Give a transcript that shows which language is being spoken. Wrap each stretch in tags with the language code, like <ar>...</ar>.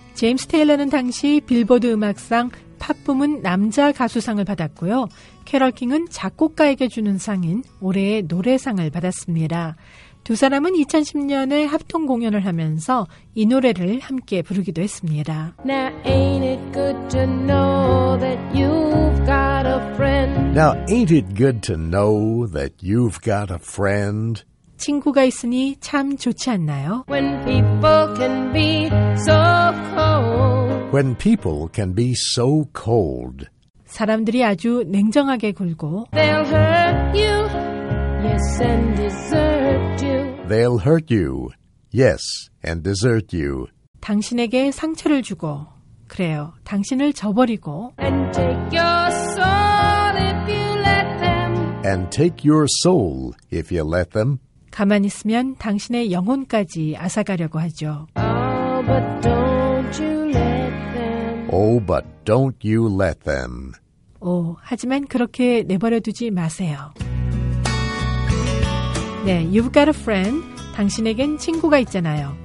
<ko>제임스 테일러는 당시 빌보드 음악상 팝 부문 남자 가수상을 받았고요. 캐럴 킹은 작곡가에게 주는 상인 올해의 노래상을 받았습니다. 두 사람은 2010년에 합동 공연을 하면서 이 노래를 함께 부르기도 했습니다.</ko> <en>Now ain't it good to know that you've got a friend? Now ain't it good to know that you've got a friend?</en> <ko>친구가 있으니 참 좋지 않나요?</ko> <en>When people can be so cold. When people can be so cold.</en> <ko>사람들이 아주 냉정하게 굴고</ko> <en>They'll hurt you. Yes, and desert you. They'll hurt you. Yes, and desert you.</en> <ko>당신에게 상처를 주고 그래요. 당신을 저버리고</ko> <en>And take your soul if you let them. And take your soul if you let them.</en> <ko>가만히 있으면 당신의 영혼까지 앗아가려고 하죠.</ko> <en>Oh, but don't you let them. Oh, but don't you let them.</en> <ko>오, 하지만 그렇게 내버려 두지 마세요. 네, You've Got a Friend, 당신에겐 친구가 있잖아요.</ko>